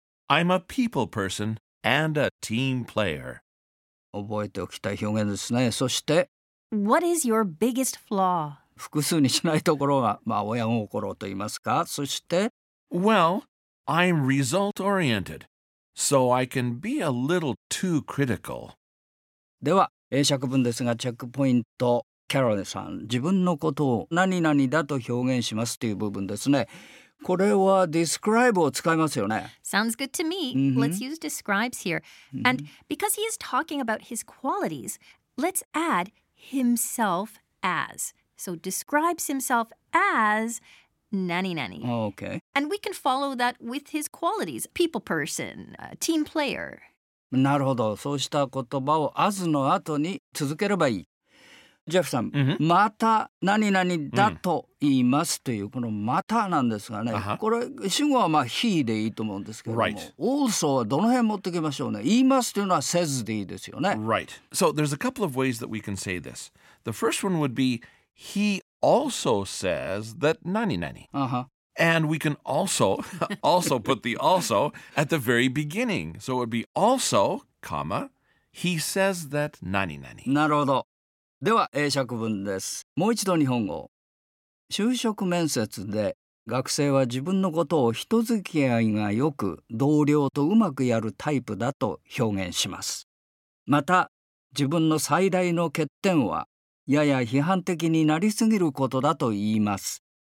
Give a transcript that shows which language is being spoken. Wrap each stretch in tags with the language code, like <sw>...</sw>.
<en>I'm a people person and a team player.</en> <ja>覚えておきたい表現ですね。そして</ja> <en>What is your biggest flaw?</en> <ja>複数にしないところが、まあ親心と言いますか。そして</ja> <en>Well, I'm result-oriented, so I can be a little too critical.</en> <ja>では、英釈文ですが、チェックポイント、キャロリンさん、自分のことを何々だと表現しますという部分ですね。これは describe を使いますよね。</ja> <en>Sounds good to me.、Mm-hmm. Let's use describes here.、Mm-hmm. And because he is talking about his qualities, let's add himself as. So describes himself as nanny nanny. Okay. And we can follow that with his qualities. People person, team player.</en> <ja>なるほど。そうした言葉を as の後に続ければいい。ジェフさん、mm-hmm. また何々だと言いますというこのまたなんですがね、uh-huh. これ主語はまあ he でいいと思うんですけども、</ja> <en>right.</en> <ja>also はどの辺持ってきましょうね。言いますというのは says でいいですよね。</ja> <en>Right. So there's a couple of ways that we can say this. The first one would be he also says that 何々。 Uh-huh. And we can also put the also at the very beginning. So it would be also, comma, he says that 何々。</en> <ja>なるほど。では英釈文です。もう一度日本語。就職面接で学生は自分のことを人付き合いがよく同僚とうまくやるタイプだと表現します。また、自分の最大の欠点はやや批判的になりすぎることだと言います。</ja>